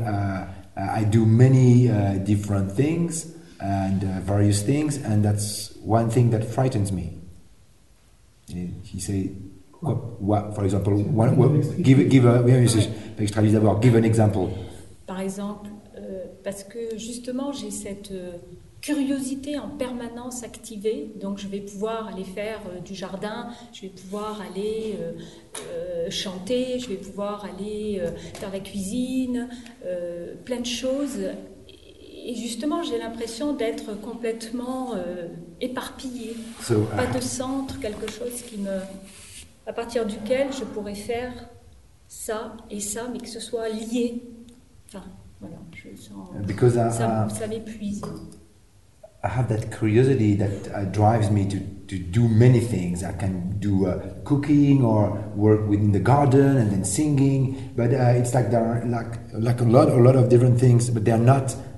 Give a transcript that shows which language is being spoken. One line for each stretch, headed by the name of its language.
English: I do many different things and various things, and that's one thing that frightens me. He say, what, for example, give an example.
French: Par exemple, parce que justement, j'ai cette... curiosité en permanence activée, donc je vais pouvoir aller faire du jardin, je vais pouvoir aller chanter, je vais pouvoir aller faire la cuisine, plein de choses. Et justement, j'ai l'impression d'être complètement éparpillée, pas de centre, quelque chose qui me, à partir duquel je pourrais faire ça et ça, mais que ce soit lié. Enfin, voilà, je sens ça m'épuise.
English: I have that curiosity that drives me to do many things. I can do cooking or work within the garden and then singing. But it's like there are like a lot of different things. But they are not.